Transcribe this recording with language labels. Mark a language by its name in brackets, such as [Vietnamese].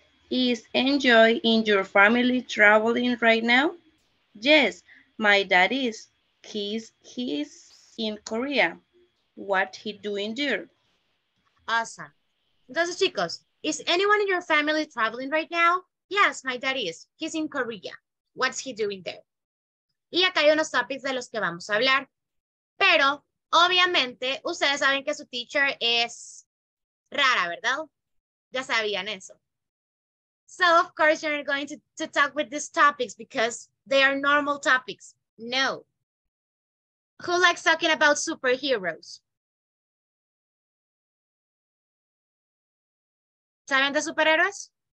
[English] Is Enjoy in your family traveling right now? Yes, my dad is. He's in Korea. What he doing there? Awesome. [Spanish] Entonces, chicos, [English] is anyone in your family traveling right now? Yes, my dad is. He's in Korea. What's he doing there? [Spanish] Y acá hay unos topics de los que vamos a hablar. Pero, obviamente, ustedes saben que su teacher es rara, ¿verdad? Ya sabían eso. [English] So, of course, you're going to talk with these topics because they are normal topics. No. Who likes talking about superheroes? [Spanish] ¿Saben de superhéroes?